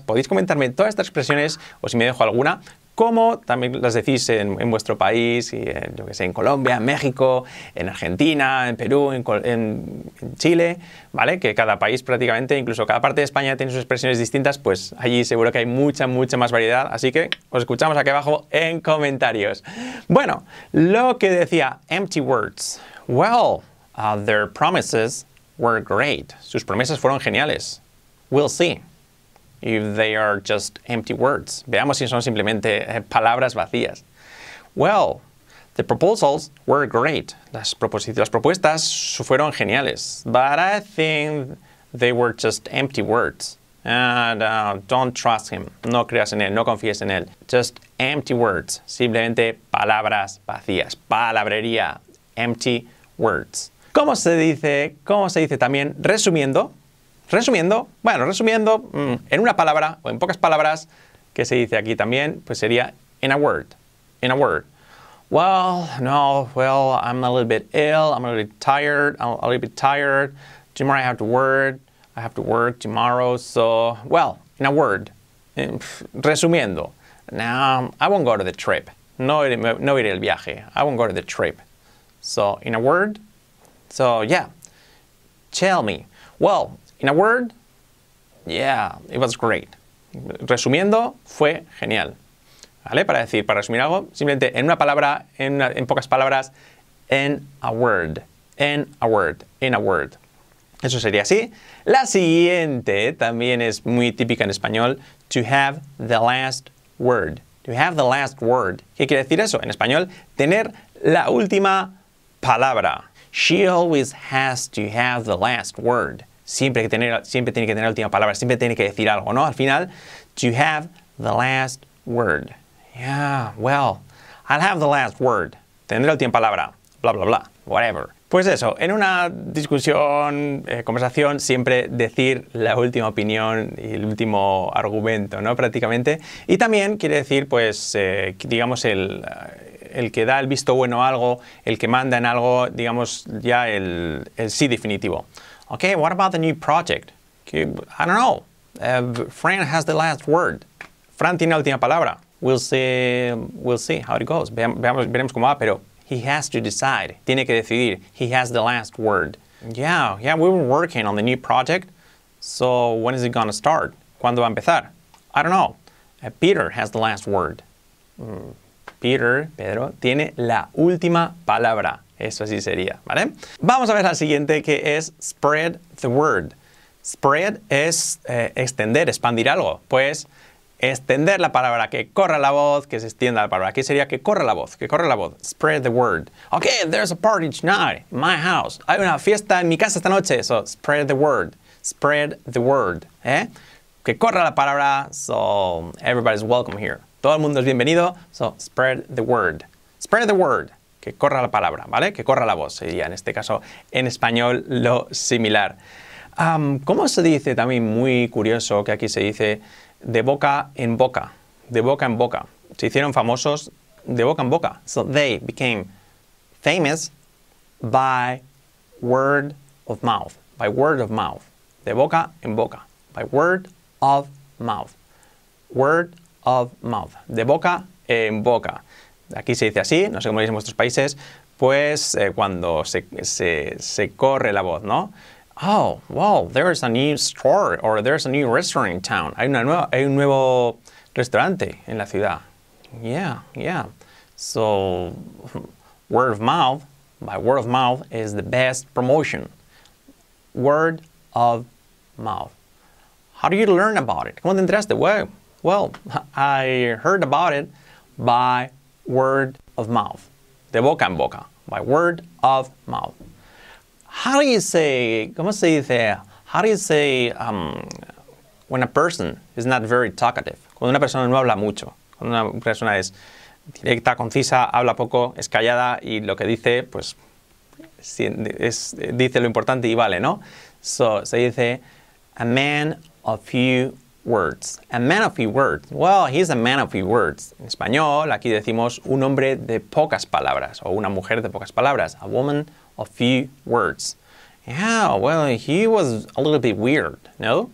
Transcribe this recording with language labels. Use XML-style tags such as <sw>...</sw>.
<es>Podéis comentarme todas estas expresiones o si me dejo alguna, como también las decís en vuestro país, y en, yo que sé, en Colombia, en México, en Argentina, en Perú, en Chile, ¿vale? Que cada país prácticamente, incluso cada parte de España tiene sus expresiones distintas, pues allí seguro que hay mucha, mucha más variedad. Así que os escuchamos aquí abajo en comentarios. Bueno, lo que decía, empty words.</es> <en>Well, their promises were great.</en> <es>Sus promesas fueron geniales.</es> <en>We'll see if they are just empty words.</en> <es>Veamos si son simplemente palabras vacías.</es> <en>Well, the proposals were great.</en> <es>Las propuestas fueron geniales.</es> <en>But I think they were just empty words. And don't trust him.</en> <es>No creas en él, no confíes en él.</es> <en>Just empty words.</en> <es>Simplemente palabras vacías. Palabrería. Empty words. ¿Cómo se dice también resumiendo? Resumiendo, bueno, resumiendo en una palabra o en pocas palabras, que se dice aquí también, pues sería in a word, in a word.</es> <en>Well, I'm a little bit ill, I'm a little bit tired, I'm a little bit tired. Tomorrow I have to work tomorrow, so, well, in a word, resumiendo. Now, I won't go to the trip,</en> <es>no iré el viaje,</es> <en>I won't go to the trip. So, in a word, so, yeah, tell me, well, in a word, yeah, it was great.</en> <es>Resumiendo, fue genial. ¿Vale? Para decir, para resumir algo, simplemente en una palabra, en pocas palabras, in a word, in a word, in a word. Eso sería así. La siguiente también es muy típica en español, to have the last word. To have the last word. ¿Qué quiere decir eso? En español, tener la última palabra.</es> <en>She always has to have the last word.</en> <es>Siempre tiene que tener la última palabra, siempre tiene que decir algo, ¿no? Al final, to have the last word.</es> <en>Yeah, well, I'll have the last word.</en> <es>Tendré la última palabra, bla, bla, bla, whatever. Pues eso, en una discusión, conversación, siempre decir la última opinión y el último argumento, ¿no? Prácticamente. Y también quiere decir, pues, digamos, el que da el visto bueno a algo, el que manda en algo, digamos, ya el sí definitivo.</es> <en>Okay, what about the new project? I don't know. Fran has the last word.</en> <es>Fran tiene la última palabra.</es> <en>We'll see how it goes.</en> <es>Veremos cómo va, pero</es> <en>he has to decide.</en> <es>Tiene que decidir.</es> <en>He has the last word. Yeah, we were working on the new project. So when is it going to start?</en> <es>¿Cuándo va a empezar?</es> <en>I don't know. Peter has the last word.</en> <es>Pedro, tiene la última palabra. Eso sí sería, ¿vale? Vamos a ver la siguiente, que es spread the word. Spread es extender, expandir algo. Pues extender la palabra, que corra la voz, que se extienda la palabra. Aquí sería que corra la voz, que corra la voz.</es> <en>Spread the word. Okay, there's a party tonight in my house.</en> <es>Hay una fiesta en mi casa esta noche.</es> <en>So, spread the word. Spread the word. ¿Eh?</en> <es>Que corra la palabra.</es> <en>So, everybody's welcome here.</en> <es>Todo el mundo es bienvenido.</es> <en>So, spread the word. Spread the word.</en> <es>Que corra la palabra, ¿vale? Que corra la voz. Sería en este caso en español lo similar. ¿Cómo se dice también? Muy curioso que aquí se dice de boca en boca. De boca en boca. Se hicieron famosos de boca en boca.</es> <en>So they became famous by word of mouth. By word of mouth.</en> <es>De boca en boca.</es> <en>By word of mouth. Word of mouth.</en> <es>De boca en boca. Aquí se dice así, no sé cómo lo dicen en vuestros países, pues cuando se corre la voz, ¿no?</es> <en>Oh, wow, there's a new store or there's a new restaurant in town.</en> <es>Hay un nuevo restaurante en la ciudad.</es> <en>Yeah. So, word of mouth, by word of mouth is the best promotion. Word of mouth. How do you learn about it?</en> <es>¿Cómo te enteraste?</es> <en>Well, I heard about it by word of mouth.</en> <es>De boca en boca.</es> <en>By word of mouth. How do you say,</en> <es>¿cómo se dice?</es> <en>How do you say when a person is not very talkative?</en> <es>Cuando una persona no habla mucho. Cuando una persona es directa, concisa, habla poco, es callada y lo que dice, pues dice lo importante y vale, ¿no?</es> <en>So,</en> <es>se dice</es> <en>a man of few words. A man of few words. Well, he's a man of few words.</en> <es>En español, aquí decimos un hombre de pocas palabras o una mujer de pocas palabras.</es> <en>A woman of few words. Yeah, well, he was a little bit weird, ¿no?</en>